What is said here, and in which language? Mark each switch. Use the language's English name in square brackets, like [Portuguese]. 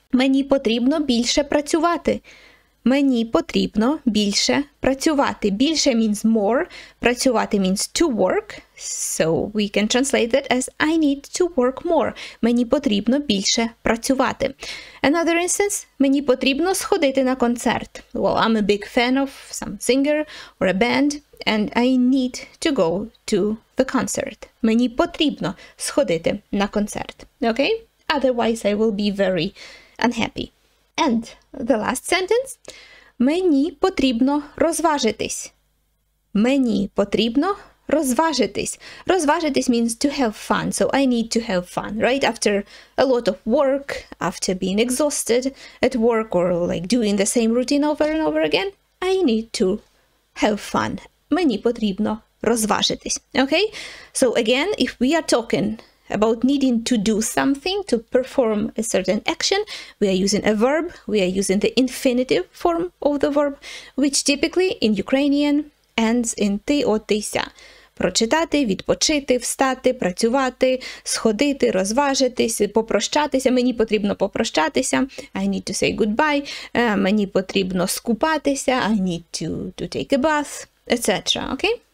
[Ukrainian] Мені потрібно більше працювати. Мені потрібно більше працювати. [English] Більше means more. Працювати means to work. So we can translate that as I need to work more. [Ukrainian] Мені потрібно більше працювати. [English] Another instance. [Ukrainian] Мені потрібно сходити на концерт. [English] Well, I'm a big fan of some singer or a band. And I need to go to the concert. [Ukrainian] Мені потрібно сходити на концерт. [English] Okay? Otherwise, I will be very unhappy. And the last sentence. [Ukrainian] Мені потрібно розважитись. Мені потрібно розважитись. [English] Розважитись means to have fun. So I need to have fun, right? After a lot of work, after being exhausted at work or like doing the same routine over and over again, I need to have fun. [Ukrainian] Мені потрібно розважитись. [English] Okay? So again, if we are talking about needing to do something, to perform a certain action, we are using a verb, we are using the infinitive form of the verb, which typically in Ukrainian ends in ти-о-ти-ся. [Ukrainian] Прочитати, відпочити, встати, працювати, сходити, розважитись, попрощатися, мені потрібно попрощатися, [English] I need to say goodbye, [Ukrainian] мені потрібно скупатися, [English] I need to take a bath, etc. Okay?